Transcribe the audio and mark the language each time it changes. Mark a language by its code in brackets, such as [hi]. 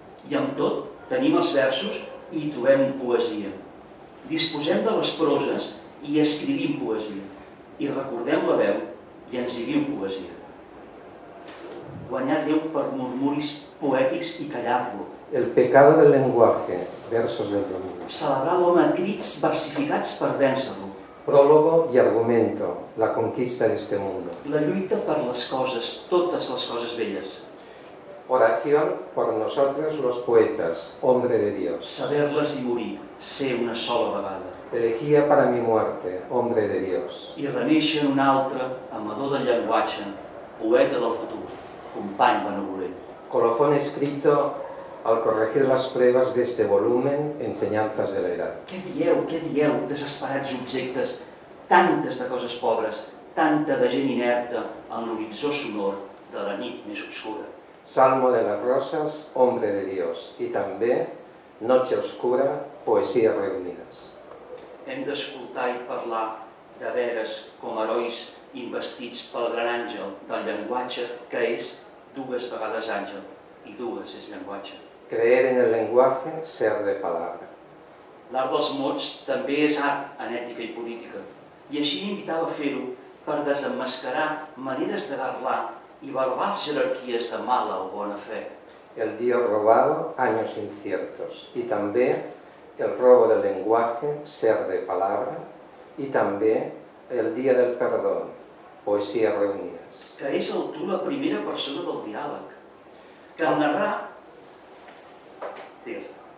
[ca] I amb tot, tenim els versos i trobem poesia. Disposem de les proses i escrivim poesia, i recordem la veu i ens hi diu poesia. Guanyar Déu per murmuris poètics i callar-lo. [es] El pecado del lenguaje, versos del domingo. [ca] Celebrar l'home a crits versificats per vèncer-lo. [es] Prólogo y argumento, la conquista de este mundo. [ca] La lluita per les coses, totes les coses velles. [es] Oración por nosotros los poetas, hombre de Dios. [ca] Saber-les i morir, ser una sola vegada. [es] Elegía para mi muerte, hombre de Dios. [ca] I reneixen un altre, amador del llenguatge, poeta del futur, company benvolent. [es] Colofón escrito al corregir las pruebas de este volumen, enseñanzas de la edad. [ca] Què dieu, desesperats objectes, tantes de coses pobres, tanta de gent inerta en l'horitzó sonor de la nit més obscura. [es] Salmo de las Rosas, Hombre de Dios, i també Noche Oscura, Poesies Reunides. [ca] Hem d'escoltar i parlar de veres com herois investits pel gran àngel del llenguatge que és dues vegades àngel i dues és llenguatge. [es] Creer en el lenguaje, ser de palabra. [ca] L'art dels mots també és art en ètica i política, i així invitava a fer-ho per desemmascarar maneres de parlar i verbals jerarquies de mala o bona fe. [es] El día robado, años inciertos. [ca] I també [es] El robo del lenguaje, ser de palabra. I també El día del perdón, [ca] poesies reunides. Que és el tu la primera persona del diàleg. Que al narrar... Digues.